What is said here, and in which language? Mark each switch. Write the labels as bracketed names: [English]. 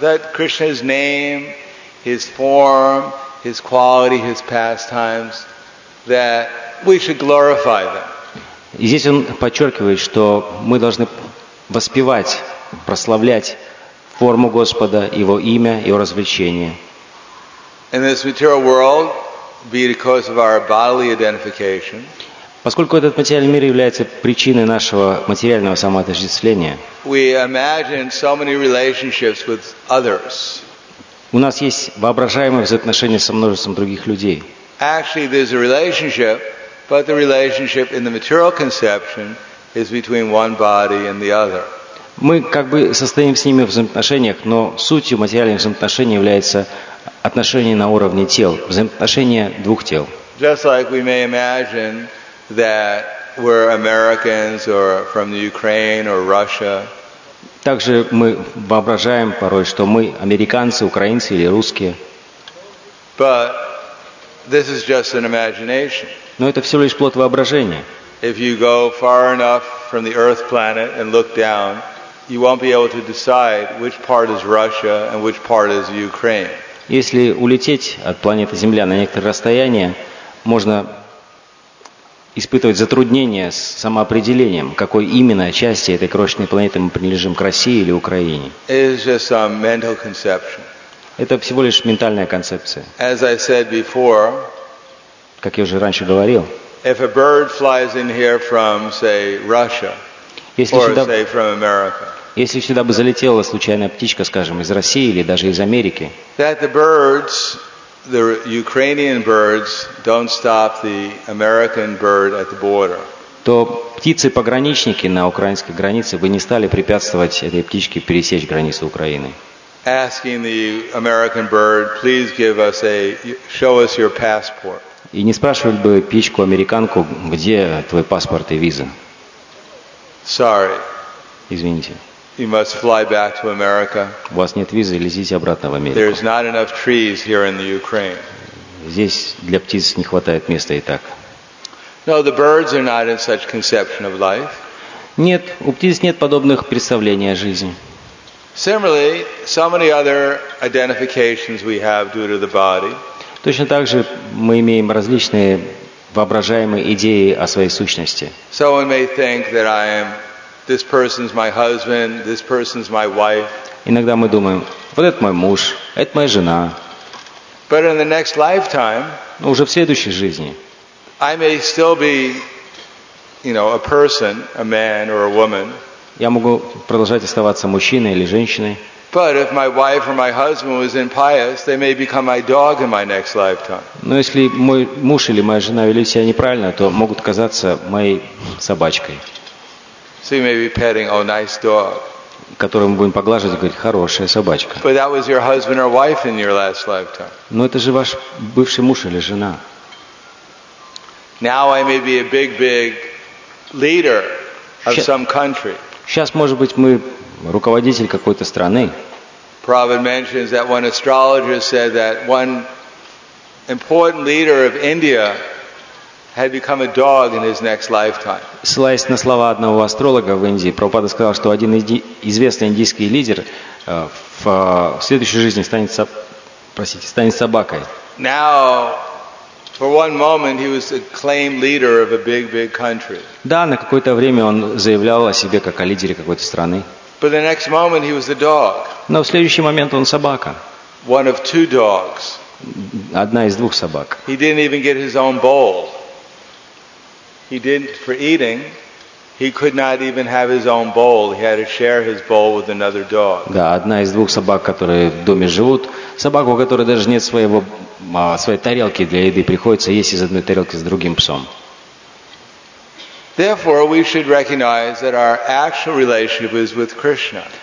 [English] That Krishna's name, his form, his quality, his pastimes, that we should glorify them. [Russian] И здесь он подчеркивает, что мы должны воспевать, прославлять форму Господа, Его имя, Его развлечения. [English] In this material world, be it because of our bodily identification, [Russian] поскольку этот материальный мир является причиной нашего материального самоотождествления, [English] we imagine so many relationships with others. [Russian] У нас есть воображаемые взаимоотношения со множеством других людей. [English] Actually, there's a relationship, but the relationship in the material conception is between one body and the other. [Russian] Мы как бы состоим с ними в взаимоотношениях, но сутью материальных взаимоотношений является отношение на уровне тел, взаимоотношение двух тел. [English] Just like we may imagine that we're Americans or from the Ukraine or Russia. [Russian] Также мы воображаем порой, что мы американцы, украинцы или русские. [English] But this is just an imagination. [Russian] Но это всего лишь плод воображения. [English] If you go far enough from the Earth planet and look down, you won't be able to decide which part is Russia and which part is Ukraine. [Russian] Если улететь от планеты Земля на некоторое расстояние, можно испытывать затруднения с самоопределением, какой именно части этой крошечной планеты мы принадлежим, к России или Украине. [English] It's just a mental conception. [Russian] Это всего лишь ментальная концепция. [English] As I said before, [Russian] как я уже раньше говорил, [English] if a bird flies in here from, say, Russia, [Russian] если сюда бы залетела случайная птичка, скажем, из России или даже из Америки, [English] that the birds, the Ukrainian birds, don't stop the American bird at the border, [Russian] то птицы-пограничники на украинской границе бы не стали препятствовать этой птичке пересечь границу Украины. [English] Asking the American bird, please give us a, show us your passport. [Russian] И не спрашивали бы птичку-американку, где твой паспорт и виза. [English] Sorry. [Russian] Извините. [English] You must fly back to America. [Russian] У вас нет визы, летите обратно в Америку. [English] There's not enough trees here in the Ukraine. [Russian] Здесь для птиц не хватает места и так. [English] No, the birds are not in such conception of life. [Russian] Нет, у птиц нет подобных представлений о жизни. [English] Similarly, so many other identifications we have due to the body. [Russian] Точно так же мы имеем различные воображаемые идеи о своей сущности. [English] Someone may think that I am, this person's my husband, this person's my wife. [Russian] Иногда мы думаем, вот это мой муж, это моя жена. [English] But in the next lifetime, [Russian] но уже в следующей жизни, [English] I may still be, you know, a person, a man or a woman. [Russian] Я могу продолжать оставаться мужчиной или женщиной. [English] But if my wife or my husband was impious, they may become my dog in my next lifetime. [Russian] Но если мой муж или моя жена вели себя неправильно, то могут казаться моей собачкой. [English] So you may be petting, oh, nice dog. [Russian] Которую мы будем поглаживать и говорить, хорошая собачка. [English] But that was your husband or wife in your last lifetime. [Russian] Но это же ваш бывший муж или жена. [English] Now I may be a big, big leader of some country. [Russian] Сейчас, может быть, мы руководитель какой-то страны. [English] Prabhupada mentions that one astrologer said that one important leader of India had become a dog in his next lifetime. [Russian] Ссылаясь на слова одного астролога в Индии, Прабхупада сказал, что один известный индийский лидер в следующей жизни станет собакой. [English] Now, for one moment, he was the claimed leader of a big country. [Russian] Да, на какое-то время он заявлял о себе как о лидере какой-то страны. [English] But the next moment, he was the dog. [Russian] Но в следующий момент он собака. [English] One of two dogs. [Russian] Одна из двух собак. [English] He didn't even get his own bowl. He didn't for eating. He could not even have his own bowl. He had to share his bowl with another dog. [Russian] Да, одна из двух собак, которые в доме живут, собаку, у которой даже нет своей тарелки для еды, приходится есть из одной тарелки с другим псом. [English] Therefore, we should recognize that our actual relationship is with Krishna.